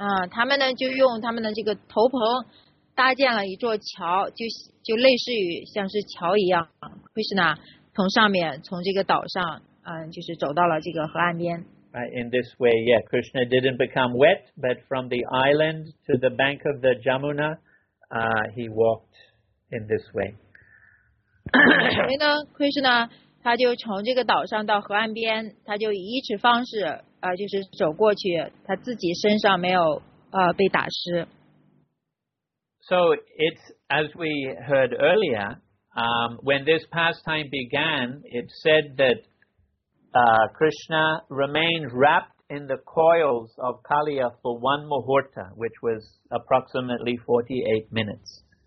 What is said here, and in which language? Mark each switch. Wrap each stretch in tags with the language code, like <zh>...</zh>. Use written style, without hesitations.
<zh>他们呢就用他们的这个头棚搭建了一座桥，就类似于像是桥一样。 Krishna 从上面从这个岛上，就是走到了这个河岸边。</zh> <en>Right, in this way, yeah, Krishna didn't become wet, but from the island to the bank of the Jamuna, he walked in this way.</en> <zh>所以呢 ，Krishna 他就从这个岛上到河岸边，他就以一尺方式，就是走过去，他自己身上没有被打湿。</zh> <en>So it's as we heard earlier, when this pastime began, it said that Krishna remained wrapped in the coils of Kaliya for one muhurta, which was approximately 48 minutes.</en>